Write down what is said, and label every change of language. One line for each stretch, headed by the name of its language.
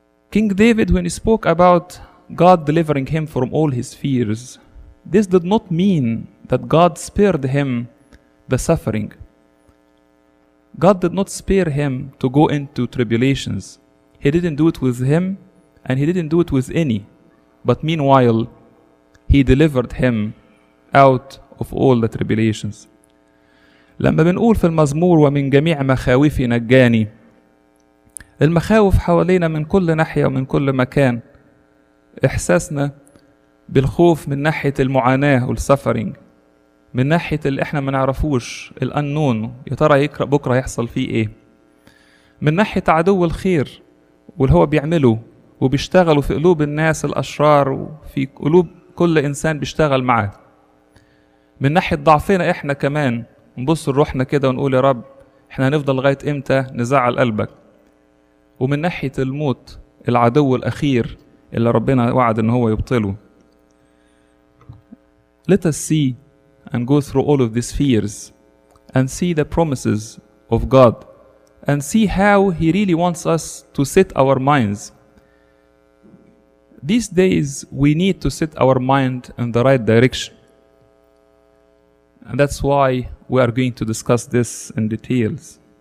English: King David, when he spoke about God delivering him from all his fears, this did not mean that God spared him the suffering. God did not spare him to go into tribulations. He didn't do it with him and he didn't do it with any. But meanwhile, he delivered him out of all the tribulations.
Arabic: لما بنقول في المزمور ومن جميع مخاوفي نجاني. المخاوف حوالينا من كل ناحية ومن كل مكان. إحساسنا بالخوف من ناحية المعاناة والسفرينج. من ناحية اللي احنا ما نعرفوش الأنون يا ترى يقرأ بكرة يحصل فيه ايه. من ناحية عدو الخير واللي هو بيعمله وبيشتغلوا في قلوب الناس الأشرار وفي قلوب كل إنسان بيشتغل معاه. من ناحية ضعفنا احنا كمان نبص لروحنا كده ونقول يا رب احنا هنفضل لغاية امتى نزعل قلبك. ومن ناحية الموت العدو الأخير اللي ربنا وعد ان هو يبطله.
English: Let us see and go through all of these fears and see the promises of God and see how he really wants us to set our minds. These days we need to set our mind in the right direction and that's why we are going to discuss this in details.